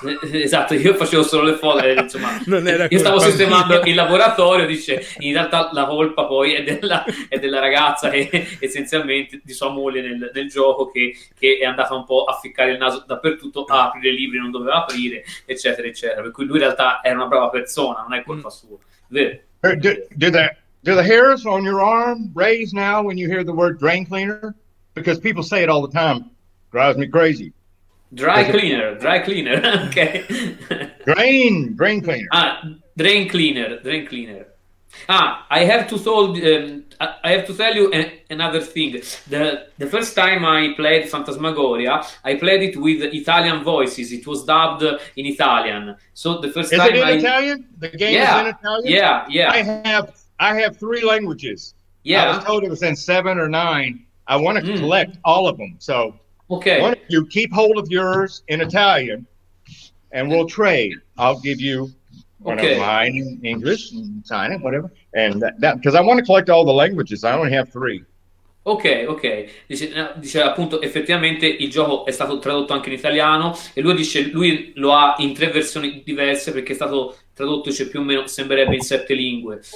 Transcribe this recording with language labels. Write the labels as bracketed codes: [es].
[it] Esatto, io facevo solo le foto, insomma, non era io stavo sistemando mia. Il laboratorio, dice, in realtà la colpa poi è della ragazza, che, essenzialmente di sua moglie nel gioco, che è andata un po' a ficcare il naso dappertutto, a aprire i libri non doveva aprire, eccetera, eccetera. Per cui lui in realtà era una brava persona, non è colpa sua. [en] Do the hairs on your arm raise now when you hear the word drain cleaner? Because people say it all the time, drives me crazy. Dry cleaner, ok. Drain cleaner. Ah, drain cleaner. Ah, I have to tell you another thing. The first time I played Phantasmagoria, I played it with Italian voices. It was dubbed in Italian. So the first is time it in I... Italian? The game yeah, is in Italian? Yeah, yeah. I have three languages. Yeah. I was told it was in 7 or 9. I want to collect all of them, so... Okay. Why don't you keep hold of yours in Italian, and we'll trade. I'll give you one of mine in English, and sign it, whatever. And that because I want to collect all the languages. I only have three. Ok. [it] Dice appunto, effettivamente il gioco è stato tradotto anche in italiano, e lui dice lui lo ha in tre versioni diverse perché è stato tradotto, cioè, più o meno sembrerebbe in 7 lingue.